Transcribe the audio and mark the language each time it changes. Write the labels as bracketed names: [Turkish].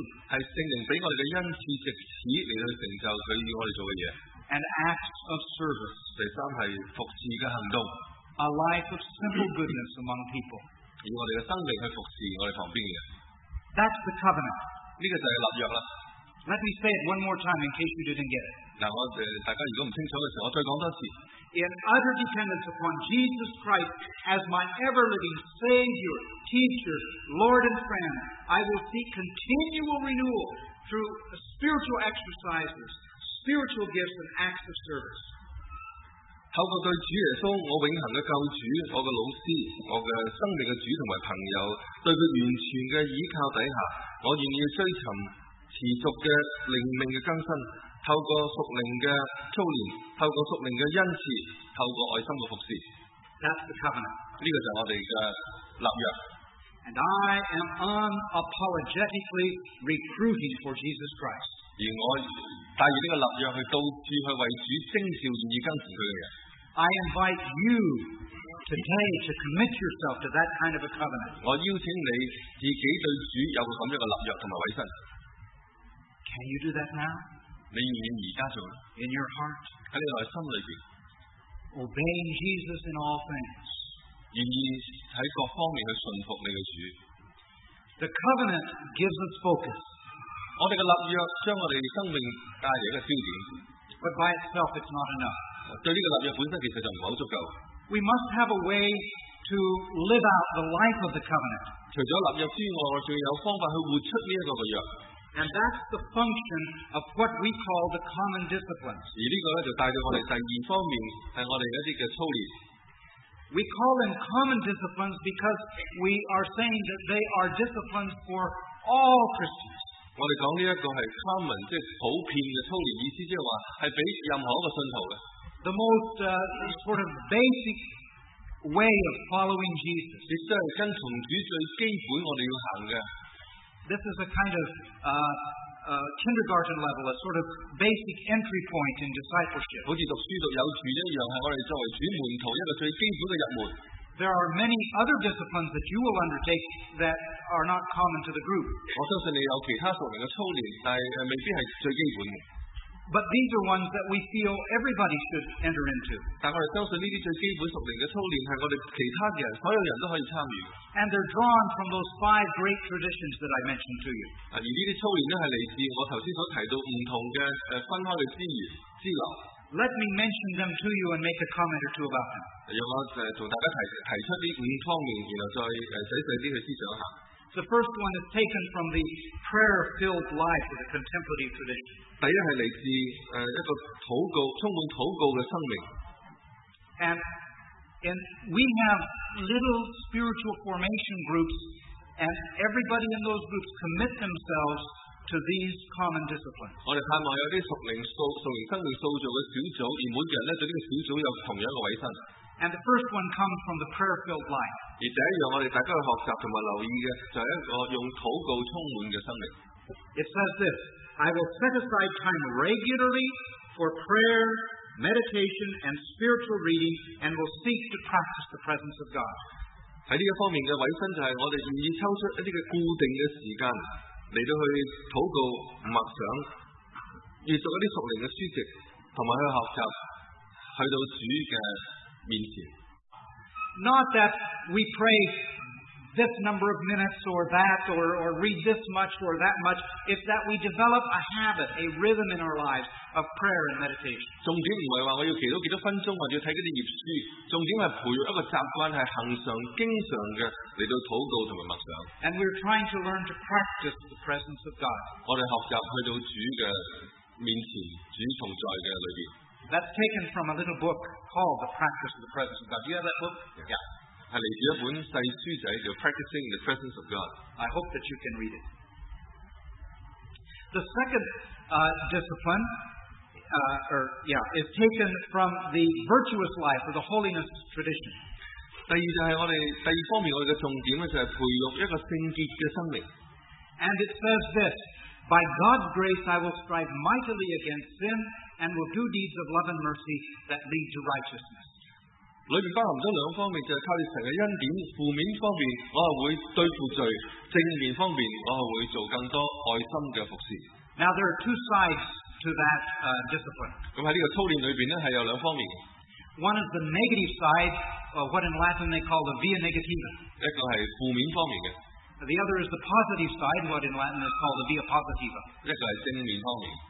[Chinese] 是圣灵给我们的恩赐，直使来到成就佢要我们做嘅嘢。 [English] And acts of service. [Chinese] 第三系服侍嘅行动。 [English] A life of simple goodness among people. [Chinese] 以我们的生命去服侍我们旁边的人。 [English] That's the covenant. [Chinese] 这个就是立约了。 [English] Let me say it one more time in case you didn't get it. [Chinese] 大家如果不清楚的时候，我再讲多次。 [English] In utter dependence upon Jesus Christ as my ever-living Savior, Teacher, Lord and Friend, I will seek continual renewal through spiritual exercises, spiritual gifts and acts of service. [Chinese] 透过对主耶稣，我永恒的救主，我的老师，我的生命的主和朋友，对他完全的依靠底下，我愿意追寻持续的灵命的更新，透过属灵的操练，透过属灵的恩赐，透过爱心的服侍。 [English] That's the covenant. [Chinese] 这个就是我们的立约。 [English] And I am unapologetically recruiting for Jesus Christ. [Chinese] 而我带着这个立约去到处去为主征召愿意跟随他的人。 [English] I invite you today to commit yourself to that kind of a covenant. [Chinese] 我邀请你自己对主有咁样嘅立约同埋委身。 [English] Can you do that now? [Chinese] 你愿意而家做 [English] ？In your heart. [Chinese] 喺你内心里边。 [English] Obeying Jesus in all things. [Chinese] 愿意喺各方面去顺服你嘅主。 [English] The covenant gives us focus. [Chinese] 我们的立约将我们的生命带来一个焦点。 [English] But by itself it's not enough. [Chinese] 对这个立约本身其实就不足够。 [English] We must have a way to live out the life of the covenant. [Chinese] 除了立约之外，我们还有方法去活出这个约。 [English] And that's the function of what we call the common disciplines. [Chinese] 而这个就带到我们第二方面，是我们一些的操练。 [English] We call them common disciplines because we are saying that they are disciplines for all Christians. [Chinese] 我哋讲呢一个系 common， 即系普遍嘅操练，意思即系话系俾任何一个信徒嘅。 [English] The most sort of basic way of following Jesus， [Chinese] 亦即系跟从主最基本我哋要行嘅。 [English] This is a kind of kindergarten level， a sort of basic entry point in discipleship。 [Chinese] 好似读书读幼稚一样，系我哋作为主门徒一个最基本嘅入门。 [English] There are many other disciplines that you will undertake that are not common to the group. [Chinese] 我相信你有其他属灵的操练，但未必是最基本的。 [English] But these are ones that we feel everybody should enter into. [Chinese] 但我们相信这些最基本属灵的操练是我们其他人所有人都可以参与。 [English] And they're drawn from those five great traditions that I mentioned to you. [Chinese] 而这些操练是来自我刚才所提到不同的分开的支流。 [English] Let me mention them to you and make a comment or two about them. [Chinese] 让我同大家提出呢五方面，然后再仔细啲去思想下。 [English] The first one is taken from the prayer-filled life of the contemplative tradition. [Chinese] 第一系嚟自一个祷告充满祷告嘅生命。 [English] And we have little spiritual formation groups, and everybody in those groups commit themselves. To these common disciplines. [Chinese] 我哋盼望有啲属灵生命塑造嘅小组，而每个人咧对呢个小组有同样嘅委身。 [English] And the first one comes from the prayer-filled life. [Chinese] 而第一样我哋大家去学习同埋留意嘅，就系一个用祷告充满嘅生命。 [English] It says this: I will set aside time regularly for prayer, meditation, and spiritual reading, and will seek to practice the presence of God. [Chinese] 喺呢一方面嘅委身就系我哋愿意抽出一啲嘅固定嘅时间。来到去祷告默想阅读一啲属灵嘅书籍，同埋去学习去到主嘅面前。 [English] Not that we pray this number of minutes or that, or read this much or that much. It's that we develop a habit, a rhythm in our lives of prayer and meditation. [Chinese] 重点唔系话我要祈祷几多分钟或者睇几多页书，重点系培育一个习惯，系恒常、经常嘅嚟到祷告同埋默想。 [English] And we're trying to learn to practice the presence of God. [Chinese] 我哋学习去到主嘅面前，主同在嘅里边。 [English] That's taken from a little book called The Practice of the Presence of God. Do you have that book? [Chinese] Yeah. 是来自一本小书仔，叫 Practicing the Presence of God. [English] I hope that you can read it. The second discipline is taken from the virtuous life or the holiness tradition. [Chinese] 第二方面我们的重点就是培育一个圣洁的生命。 [English] And it says this, By God's grace I will strive mightily against sin,and will do deeds of love and mercy that lead to righteousness. [Chinese] 里面包含咗两方面，就系靠住神嘅恩典，负面方面我系会对付罪，正面方面我系会做更多爱心嘅服事。 [English] Now there are two sides to that discipline. [Chinese] 咁喺呢个操练里边咧，系有两方面。 [English] One is the negative side, or what in Latin they call the via negativa. [Chinese] 一个系负面方面嘅。 [English] The other is the positive side, what in Latin is called the via positiva. [Chinese] 一个系正面方面。